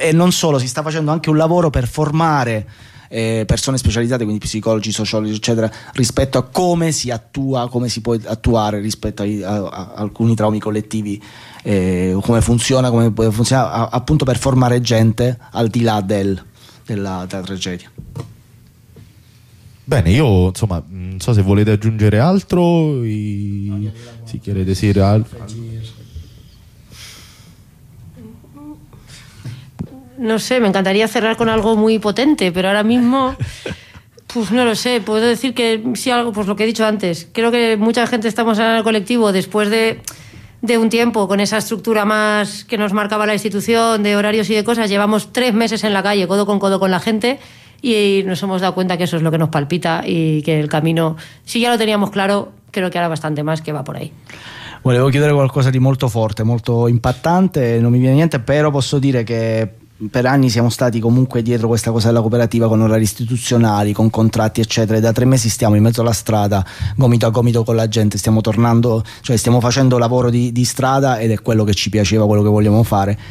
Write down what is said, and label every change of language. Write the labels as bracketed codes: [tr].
[it] E non solo, si sta facendo anche un lavoro per formare persone specializzate, quindi psicologi, sociologi eccetera, rispetto a come si attua, come si può attuare rispetto a alcuni traumi collettivi, come funziona appunto per formare gente al di là della tragedia. Bene, io insomma non so se volete aggiungere altro, si chiede desire altro. [es] No sé, me encantaría cerrar con algo muy potente, pero ahora mismo Pues no lo sé, puedo decir que sí, algo, pues lo que he dicho antes. Creo que mucha gente estamos en el colectivo después de un tiempo con esa estructura más que nos marcaba la institución, de horarios y de cosas. Llevamos 3 meses en la calle, codo con la gente, y nos hemos dado cuenta que eso es lo que nos palpita y que el camino, si ya lo teníamos claro, creo che era bastante más che va por ahí. [it] Volevo chiedere qualcosa di molto forte, molto impattante, non mi viene niente, però posso dire che per anni siamo stati comunque dietro questa cosa della cooperativa, con orari istituzionali, con contratti eccetera, e da 3 mesi stiamo in mezzo alla strada, gomito a gomito con la gente, stiamo tornando, cioè stiamo facendo lavoro di strada, ed è quello che ci piaceva, quello che vogliamo fare.